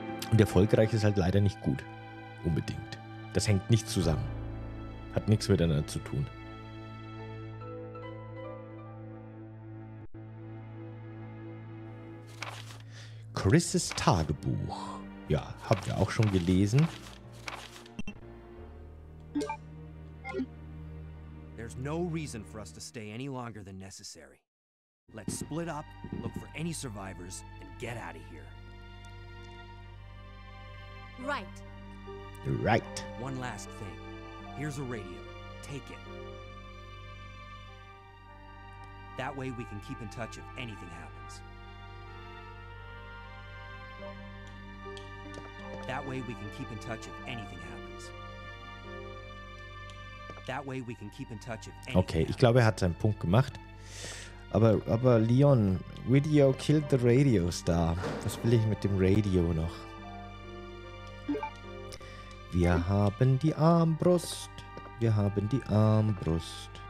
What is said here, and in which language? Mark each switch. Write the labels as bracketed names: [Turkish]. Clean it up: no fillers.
[German] Und erfolgreich ist halt leider nicht gut. Unbedingt. Das hängt nicht zusammen. Hat nichts miteinander zu tun. Chris' Tagebuch. Ja, haben wir auch schon gelesen. [English] There's no reason for us to stay any longer than necessary. Let's split up, look for any survivors and get out of here. Right. Right. One last thing. Here's a radio. Take it. That way we can keep in touch if anything happens. That way we can keep in touch if anything happens. That way we can keep in touch if anything happens. [German] Okay, ich glaube, er hat seinen Punkt gemacht. Aber Leon, [English] Video killed the radio star. [German] Was will ich mit dem Radio noch? Wir haben die Armbrust. Wir haben die Armbrust.